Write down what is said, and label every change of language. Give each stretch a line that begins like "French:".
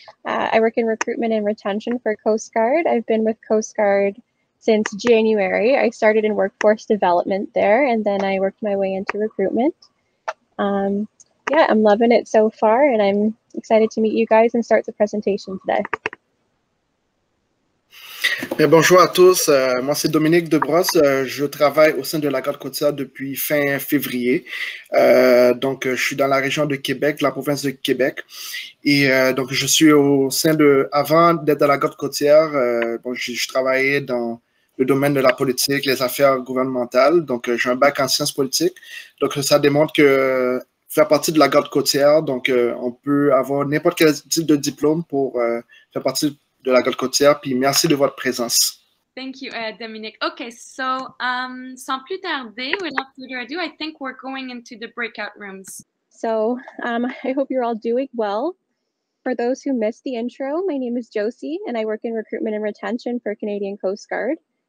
English: I work in recruitment and retention for Coast Guard. I've been with Coast Guard since January. I started in workforce development there, and then I worked my way into recruitment. Yeah, I'm loving it so far, and I'm excited to meet you guys and start the presentation today.
French: Bien, bonjour à tous. Moi, c'est Dominique Debrosse. Je travaille au sein de la garde côtière depuis fin février. Je suis dans la région de Québec, la province de Québec. Et je suis au sein de... Avant d'être dans la garde côtière, je travaillais dans le domaine de la politique, les affaires gouvernementales. Donc, j'ai un bac en sciences politiques. Donc, ça démontre que faire partie de la garde côtière, donc, on peut avoir n'importe quel type de diplôme pour faire partie de la garde côtière, puis merci de votre présence.
English: Thank you, Dominique. Okay, so
French: sans plus tarder,
English: without further ado, I think we're going into the breakout rooms. So I hope you're all doing well. For those who missed the intro, my name is Josie, and I work in recruitment and retention for Canadian Coast Guard.